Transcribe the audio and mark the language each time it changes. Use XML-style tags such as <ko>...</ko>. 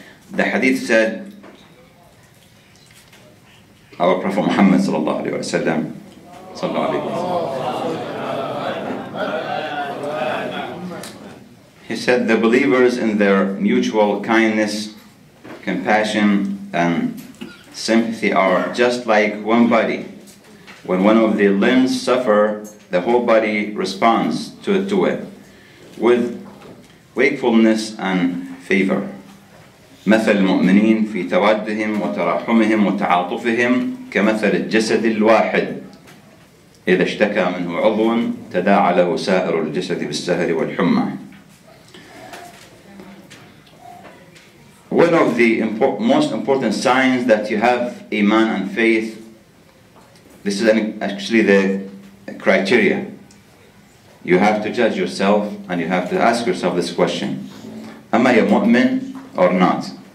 <en>The hadith said, our Prophet Muhammad sallallahu alayhi wa sallam, sallallahu alayhi wa sallam, he said, the believers in their mutual kindness, compassion, and sympathy are just like one body. When one of the limbs suffer, the whole body responds to it with wakefulness and favor.</en> <ar>مثل المؤمنين في توادهم وتراحمهم وتعاطفهم كمثل الجسد الواحد إذا اشتكى منه عضو تداعى له سائر الجسد بالسهر والحمى.</ar> <en>One of the most important signs that you have iman and faith, this is actually the criteria. You have to judge yourself and you have to ask yourself this question: am I a mu'min or not?</en>